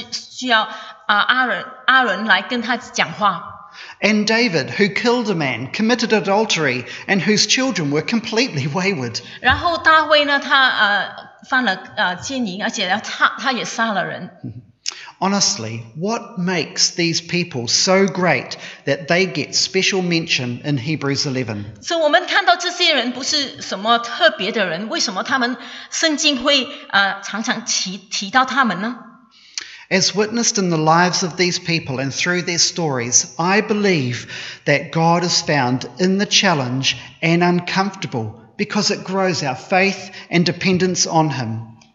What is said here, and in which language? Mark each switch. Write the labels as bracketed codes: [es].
[zh] 然后呢，摩西他因为杀了人，所以他需要阿伦来跟他讲话。 [en] And David, who killed a man, committed adultery, and whose children were completely wayward. [zh] 然后大卫呢，他犯了奸淫，而且他也杀了人。 [en] Honestly, what makes these people so great that they get special mention in Hebrews 11? So, [zh] 我们看到这些人不是什么特别的人，为什么他们圣经会常常提到他们呢？ [en] As witnessed in the lives of these people and through their stories, I believe that God is found in the challenge and uncomfortable because it grows our faith and dependence on Him.